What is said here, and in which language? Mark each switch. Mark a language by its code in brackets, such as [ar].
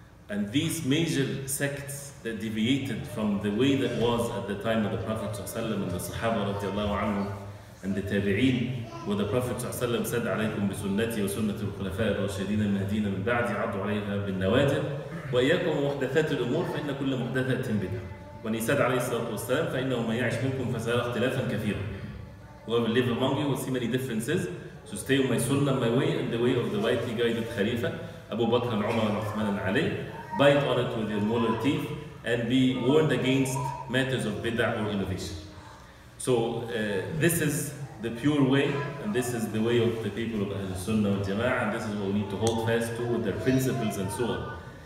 [en] And these major sects that deviated from the way that was at the time of the Prophet ﷺ and the Sahaba radiallahu anhu and the Tabi'een, where the Prophet ﷺ said, [ar] عَلَيْكُمْ بِسُنَّتِي وَسُنَّةِ الْخُلَفَاءِ الرَّاشِدِينَ الْمَهْدِينَ مِنْ بَعْدِ عَضُوا عَلَيْهَا بِالنَّوَاجِبِ وَإِيَّكُمْ وَمُحْدَثَاتِ الْأُمُورِ فَإِنَّ كُلَّ مُحْدَثَةٍ بِدْعَةٌ. [en] When he said [ar] عليه الصلاة والسلام, فَإِنَّهُ مَنْ يَعِشْ مِنْكُمْ فَسَيَرَى اخْتِلَافًا كَثِيرًا. [en] Whoever live among you will see many differences. So stay on my sunnah, my way, and the way of the rightly guided Khalifa, Abu Bakr and Umar and Uthman and Ali. Bite on it with your molar teeth and be warned against matters of bid'ah or innovation. So this is the pure way, and this is the way of the people of Ahl Sunnah and Jama'ah, and this is what we need to hold fast to with their principles and so on.